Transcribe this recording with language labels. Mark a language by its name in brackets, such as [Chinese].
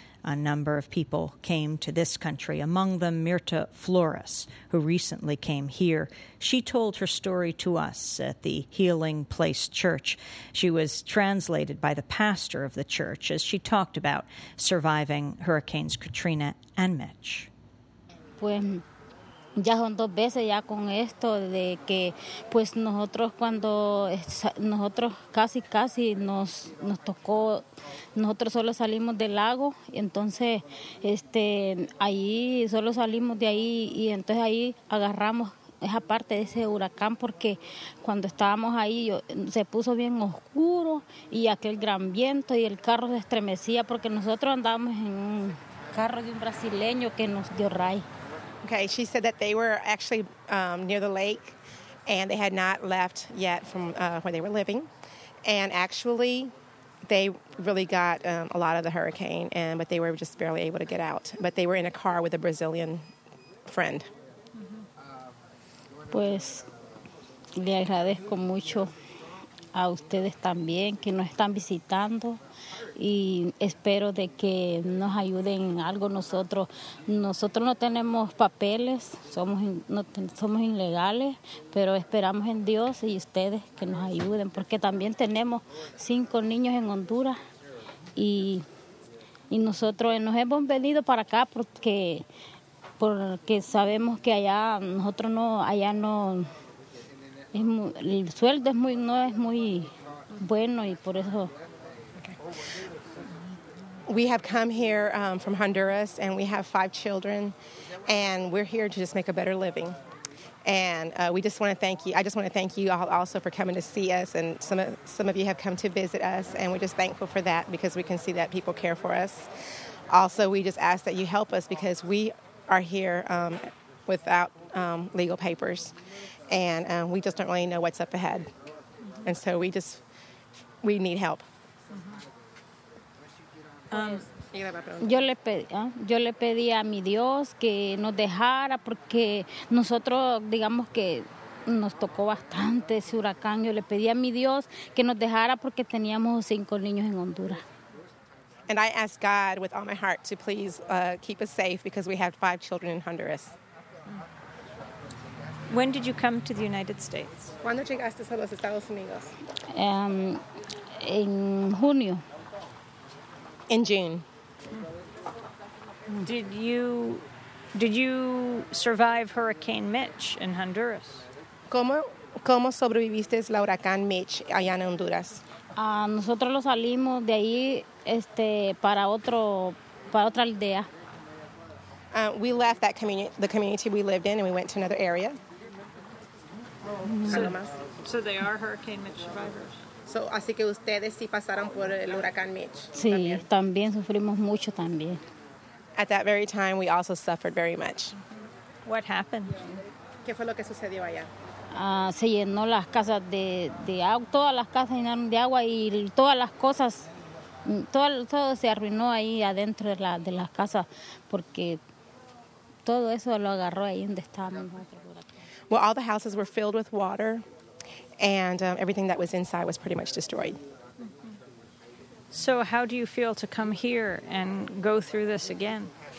[English] A number of people came to this country, among them Mirta Flores, who recently came here. She told her story to us at the Healing Place Church. She was translated by the pastor of the church as she talked about surviving Hurricanes Katrina and Mitch. [Spanish] Bueno. Ya son dos veces ya con esto de que pues nosotros cuando nosotros casi nos tocó, nosotros solo salimos del lago, entonces ahí solo salimos de ahí y entonces ahí agarramos esa parte de ese huracán porque cuando estábamos ahí se puso bien oscuro y aquel gran viento y el carro se estremecía porque nosotros andábamos en un carro de un brasileño que nos dio ray. [English] Okay, she said that they were actually near the lake, and they had not left yet from where they were living. And actually, they really got a lot of the hurricane, and but they were just barely able to get out. But they were in a car with a Brazilian friend. Mm-hmm. [Spanish] Pues, le agradezco mucho a ustedes también que nos están visitando. Y espero de que nos ayuden en algo nosotros. Nosotros no tenemos papeles, somos ilegales, pero esperamos en Dios y ustedes que nos ayuden, porque también tenemos 5 niños en Honduras y nosotros nos hemos venido para acá porque sabemos que allá no es muy, el sueldo es muy, no es muy bueno y por eso. [English] We have come here from Honduras, and we have 5 children, and we're here to just make a better living. And we just want to thank you. I just want to thank you all also for coming to see us, and some of you have come to visit us, and we're just thankful for that because we can see that people care for us. Also, we just ask that you help us because we are here without legal papers, and we just don't really know what's up ahead. And so we need help. [Spanish] Yo le pedí a mi Dios que nos dejara porque nosotros digamos que nos tocó bastante ese huracán. Yo le pedí a mi Dios que nos dejara porque teníamos 5 niños en Honduras. [English] And I asked God with all my heart to please keep us safe because we have 5 children in Honduras. When did you come to the United States? [Spanish] ¿Cuándo llegaste a los Estados Unidos? En junio. [English] In June. Did you survive Hurricane Mitch in Honduras? [Spanish] ¿Cómo sobreviviste el huracán Mitch allá en Honduras? Nosotros lo salimos de ahí para otra aldea. [English] We left that the community we lived in, and we went to another area. So they are Hurricane Mitch survivors. [Spanish] So, así que ustedes sí pasaron por el huracán Mitch. Sí, también sufrimos mucho también. [English] At that very time, we also suffered very much. What happened? [Spanish] ¿Qué fue lo que sucedió allá? Se llenó las casas de agua, todas las casas llenaron de agua y todas las cosas, todo se arruinó ahí adentro de las casas porque todo eso lo agarró ahí donde estábamos. [English] Well, all the houses were filled with water and everything that was inside was pretty much destroyed. So how do you feel to come here and go through this again?